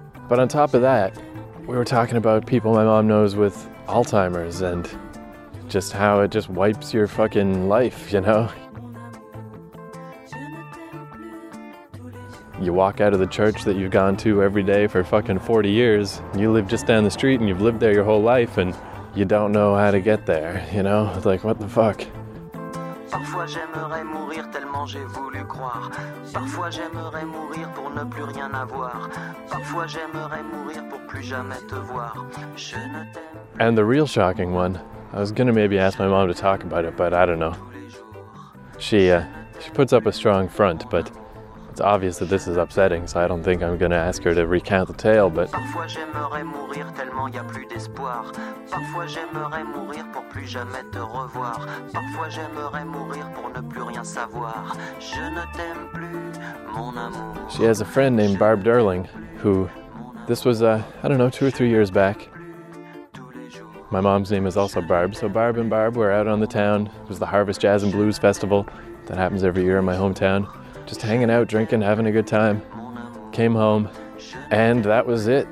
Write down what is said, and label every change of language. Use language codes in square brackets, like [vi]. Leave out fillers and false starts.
[en] But on top of that, we were talking about people my mom knows with Alzheimer's and just how it just wipes your fucking life, you know? You walk out of the church that you've gone to every day for fucking 40 years, you live just down the street and you've lived there your whole life and you don't know how to get there, you know? It's like, what the fuck? [fr] Parfois j'aimerais mourir tellement j'ai voulu croire. Parfois j'aimerais mourir pour ne plus rien avoir. Parfois j'aimerais mourir pour plus jamais te voir. Je ne t'aime plus. [en] And the real shocking one, I was gonna maybe ask my mom to talk about it, but I don't know. She puts up a strong front, but it's obvious that this is upsetting, so I don't think I'm gonna ask her to recount the tale, but [fr] parfois j'aimerais mourir tellement y a plus d'espoir. Parfois j'aimerais mourir pour plus jamais te revoir. Parfois j'aimerais mourir pour ne plus rien savoir. Je ne t'aime plus, mon amour. [en] She has a friend named Barb Durling, who this was I don't know, 2 or 3 years back. My mom's name is also Barb, so Barb and Barb were out on the town. It was the Harvest Jazz and Blues Festival that happens every year in my hometown. Just hanging out, drinking, having a good time. Came home, and that was it.